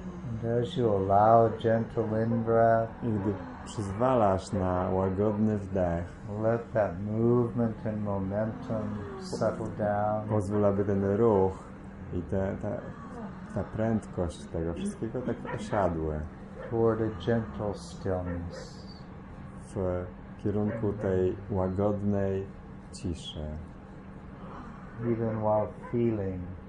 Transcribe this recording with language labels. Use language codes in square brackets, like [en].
[en] And as you allow a gentle in-breath, [pl] i gdy przyzwalasz na łagodny wdech, [en] let that movement and momentum settle down. [pl] Pozwól, aby ten ruch i ta prędkość tego wszystkiego tak osiadły. [en] Toward a gentle stillness. [pl] W kierunku tej łagodnej ciszy. [en] Even while feeling,